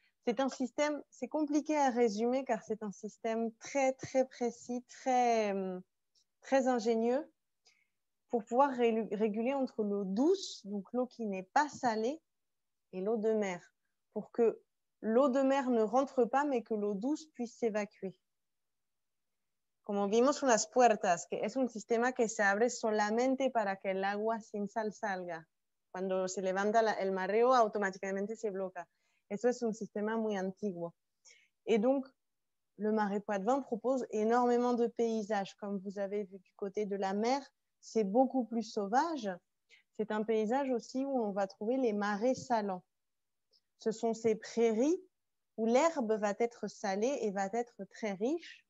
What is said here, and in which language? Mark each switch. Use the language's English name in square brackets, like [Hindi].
[French] C'est un système, c'est compliqué à résumer, car c'est un système très, très précis, très, très ingénieux, pour pouvoir réguler entre l'eau douce, donc l'eau qui n'est pas salée, et l'eau de mer, pour que l'eau de mer ne rentre pas, mais que l'eau douce puisse s'évacuer. [Spanish] Como vimos en las puertas, que es un sistema que se abre solamente para que el agua sin sal salga. Cuando se levanta el mareo, automáticamente se bloquea. Eso es un sistema muy antiguo. [French] Et donc, le marais Poitevin propose énormément de paysages. Comme vous avez vu du côté de la mer, c'est beaucoup plus sauvage. C'est un paysage aussi où on va trouver les marais salants. Ce sont ces prairies où l'herbe va être salée et va être très riche.